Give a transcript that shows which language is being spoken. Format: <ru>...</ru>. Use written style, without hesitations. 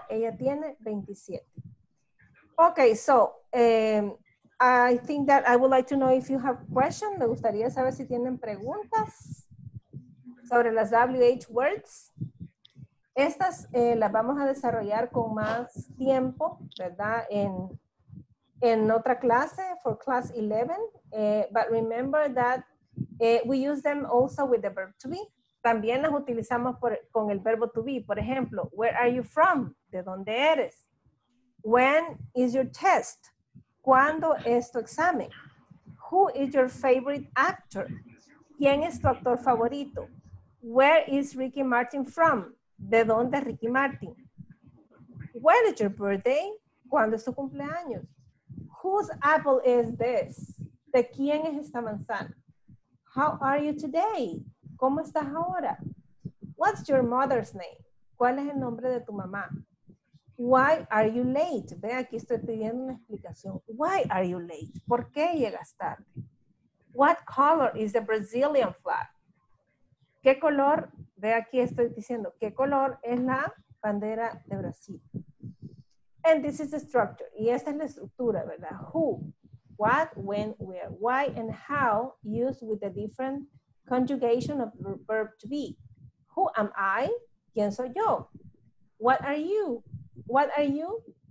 <es>Ella tiene 27.</es> <en>Okay, so I think that I would like to know if you have questions.</en> <es>Me gustaría saber si tienen preguntas sobre las</es> <en>WH words.</en> <es>Estas las vamos a desarrollar con más tiempo, ¿verdad? En otra clase,</es> <en>for class 11. But remember that we use them also with the verb to be.</en> <es>También las utilizamos con el verbo to be. Por ejemplo,</es> <en>where are you from?</en> <es>¿De dónde eres?</es> <en>When is your test?</en> <es>¿Cuándo es tu examen?</es> <en>Who is your favorite actor?</en> <es>¿Quién es tu actor favorito?</es> <en>Where is Ricky Martin from?</en> <es>¿De dónde es Ricky Martin?</es> <en>When is your birthday?</en> <es>¿Cuándo es tu cumpleaños?</es> <en>Whose apple is this?</en> <es>¿De quién es esta manzana?</es> <en>How are you today?</en> <es>¿Cómo estás ahora?</es> <en>What's your mother's name?</en> <es>¿Cuál es el nombre de tu mamá?</es> <en>Why are you late?</en> <es>Ve, aquí estoy pidiendo una explicación.</es> <en>Why are you late?</en> <es>¿Por qué llegas tarde?</es> <en>What color is the Brazilian flag?</en> <es>¿Qué color? Ve, aquí estoy diciendo, ¿qué color es la bandera de Brasil?</es> <en>And this is the structure.</en> <es>Y esta es la estructura, ¿verdad?</es> <en>Who, what, when, where, why, and how used with the different conjugation of verb to be. Who am I?</en> <es>¿Quién soy yo?</es> <en>What are you? What are you?</en>